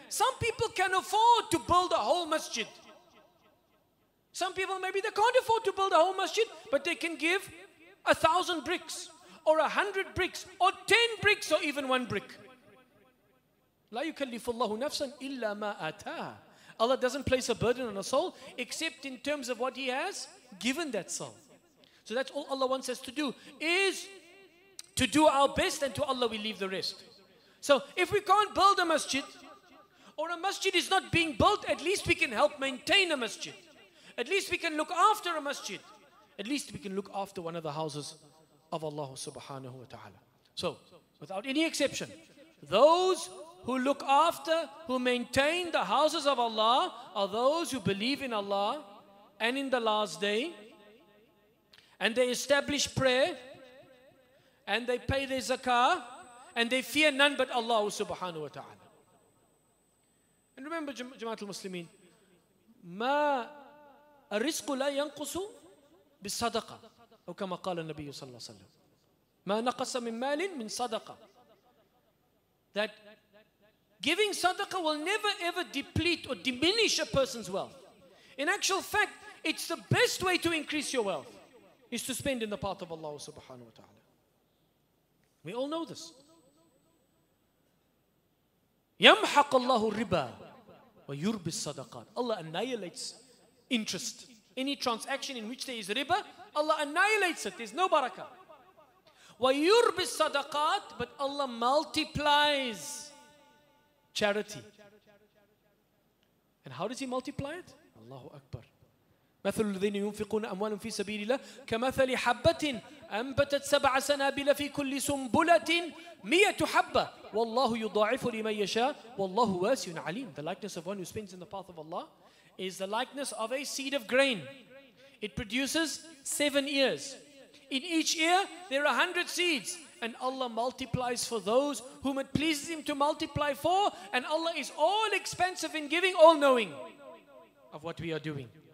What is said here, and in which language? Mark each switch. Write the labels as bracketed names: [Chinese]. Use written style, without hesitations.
[English] Some people can afford to build a whole masjid. Some people, maybe they can't afford to build a whole masjid, but they can give 1,000 bricks or 100 bricks or 10 bricks or even 1 brick. [Arabic] لا يكلف الله نفسا إلا ما آتاها. [English] Allah doesn't place a burden on a soul except in terms of what He has given that soul. So that's all Allah wants us to do, is to do our best, and to Allah we leave the rest. So if we can't build a masjid, or a masjid is not being built, at least we can help maintain a masjid. At least we can look after a masjid. At least we can look after one of the houses of Allah subhanahu wa ta'ala. So without any exception, those who look after, who maintain the houses of Allah, are those who believe in Allah and in the last day, and they establish prayer, and they pay their zakah, and they fear none but Allah subhanahu wa ta'ala. And remember, Jamaat al-Muslimin, [Arabic] مَا أَرِزْقُ لَا يَنْقُسُ بِالصَّدَقَةِ أو كما قال النبي صلى الله عليه وسلم مَا نَقَسَ مِنْ مَالٍ مِنْ صَدَقَةِ. [English] That giving sadaqah will never ever deplete or diminish a person's wealth. In actual fact, it's the best way to increase your wealth, is to spend in the path of Allah subhanahu wa ta'ala. We all know this. [Arabic] يَمْحَقَ اللَّهُ الرِّبَى. ويربي الصدقات. [English] Allah annihilates interest. Any transaction in which there is riba, Allah annihilates it. There's no barakah. [Arabic] ويربي الصدقات, [English] but Allah multiplies charity. And how does He multiply it? Allahu Akbar. [Arabic] مثل الذين ينفقون أموالهم في سبيل الله كمثل حبة أنبتت سبع سنابل في كل سنبلة مئة حبة والله يضاعف لمن يشاء والله واسع عليم. [English] The likeness of one who spends in the path of Allah is the likeness of a seed of grain. It produces 7 ears. In each ear there are 100 seeds, and Allah multiplies for those whom it pleases Him to multiply for, and Allah is all expansive in giving, all knowing of what we are doing.